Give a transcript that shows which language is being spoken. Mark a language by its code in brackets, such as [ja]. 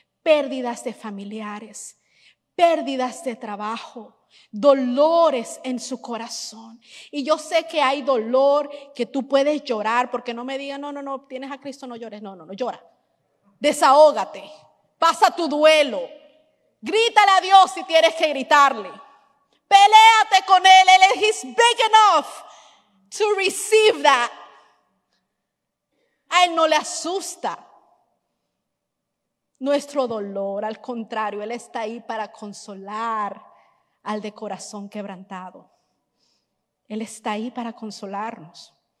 [es] Pérdidas de familiares, pérdidas de trabajo, dolores en su corazón. Y yo sé que hay dolor, que tú puedes llorar, porque no me digan, no, no, no, tienes a Cristo, no llores. No, no, no, llora. Desahógate. Pasa tu duelo. Grítale a Dios si tienes que gritarle. Peléate con Él. Él es [en] big enough to receive that. [es] A Él no le asusta nuestro dolor. Al contrario, Él está ahí para consolar al de corazón quebrantado. Él está ahí para consolarnos.